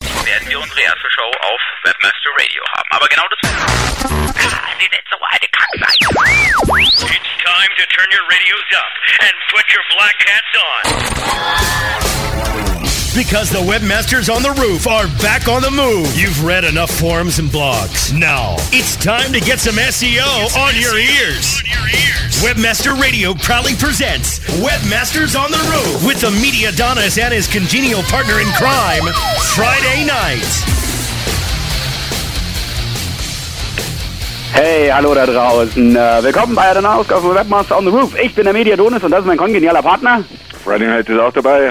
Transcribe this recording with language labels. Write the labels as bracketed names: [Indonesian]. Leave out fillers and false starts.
[German] und Reasse Show auf Webmaster Radio haben. Aber genau das. [English] It's time to turn your radios up and put your black hats on. Because the webmasters on the roof are back on the move. You've read enough forums and blogs. Now, it's time to get some SEO on your ears. Webmaster Radio proudly presents Webmasters on the Roof with the media Donis and his congenial partner in crime, Friday night. [German] Hey, hallo da draußen. Willkommen bei einer Ausgabe von Webmaster on the Roof. Ich bin der Media Donis und das ist mein kongenialer Partner. Friday Night ist auch dabei.